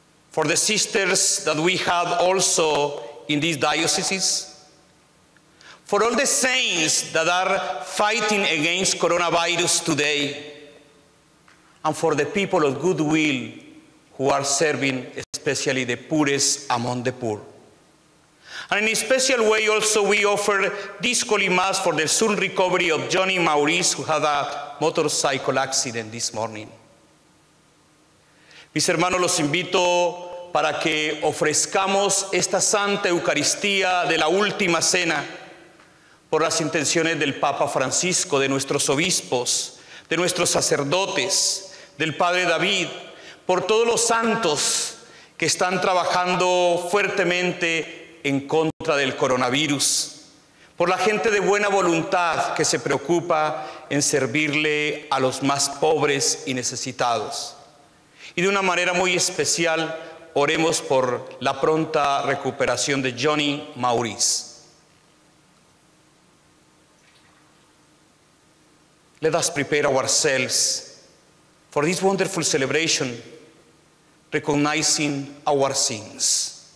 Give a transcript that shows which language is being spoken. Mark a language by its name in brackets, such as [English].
[English] for the sisters that we have also in these dioceses, for all the saints that are fighting against coronavirus today, and for the people of goodwill who are serving, especially the poorest among the poor. And in a special way also, we offer this Holy Mass for the soon recovery of Johnny Maurice, who had a motorcycle accident this morning. [Spanish] Mis hermanos, los invito para que ofrezcamos esta Santa Eucaristía de la Última Cena por las intenciones del Papa Francisco, de nuestros obispos, de nuestros sacerdotes, del Padre David, por todos los santos que están trabajando fuertemente en contra del coronavirus, por la gente de buena voluntad que se preocupa en servirle a los más pobres y necesitados. Y de una manera muy especial, oremos por la pronta recuperación de Johnny Maurice. [English] Let us prepare ourselves for this wonderful celebration, recognizing our sins.